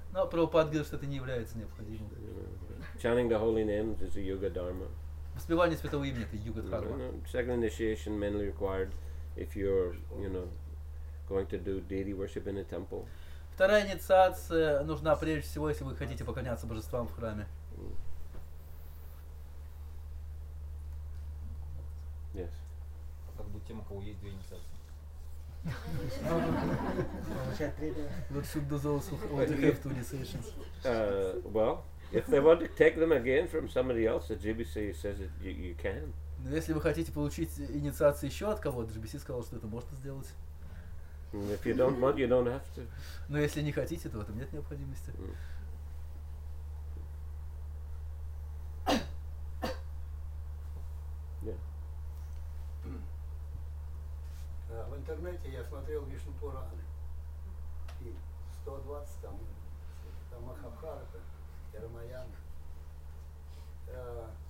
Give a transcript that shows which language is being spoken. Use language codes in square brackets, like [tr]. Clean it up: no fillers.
[ru] Но Прабхупад говорит, что это не является необходимым. [en] Chanting the holy names is a yoga dharma. [ru] Воспевание святого имени — это йога дхарма. [en] Second initiation mainly required if you're, you know, going to do deity worship in a temple. [ru] Вторая инициация нужна прежде всего, если вы хотите поклоняться божествам в храме. [en] Yes. [ru] Как будет тем, у кого есть две инициации? [en] Вот should do those who only have two initiations. Well, if they want to take them again from somebody else, the GBC says that you can. [ru] Но если вы хотите получить инициации еще от кого-то, GBC сказал, что это можно сделать. [en] If you don't want, you don't have to. [ru] Но если не хотите, то в этом нет необходимости. В интернете я смотрел Вишну Пураны. И 120 там, там Махабхарата, Рамаяна.